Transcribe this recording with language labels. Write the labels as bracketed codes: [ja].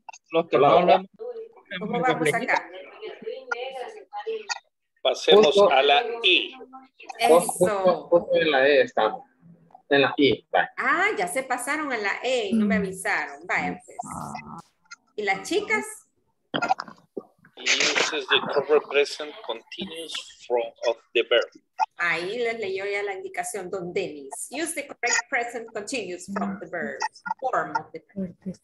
[es] Los que no, ¿cómo vamos acá? Pasemos a la I. Eso. En la E estamos. En la I. Ah, ya se pasaron a la E y no me avisaron. Vaya, pues. ¿Y las chicas? [en] Uses the correct present continuous form of the verb. [es] Ahí les leyó ya la indicación, don Dennis. [en] Use the correct present continuous from the verb, form of the verb.